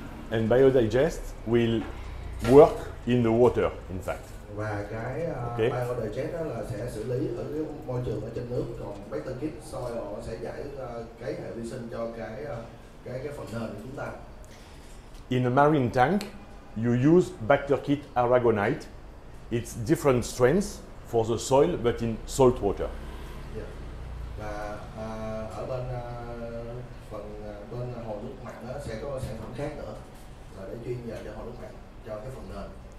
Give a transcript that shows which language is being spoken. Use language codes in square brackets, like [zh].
[en] And Biodigest will work in the water, in fact. [vi] Và cái okay. Biodigest đó là sẽ xử lý ở cái môi trường ở trên nước, còn Bacter Kit Soil sẽ giải cái hệ vi sinh cho cái phần nền của chúng ta. [en] In a marine tank, you use Bacter Kit Aragonite. It's different strengths for the soil, but in salt water. Yeah. [vi] Và ở bên phần bên hồ nước mặn đó sẽ có sản phẩm khác nữa, là để chuyên dành cho hồ nước mặn, cho cái phần nền.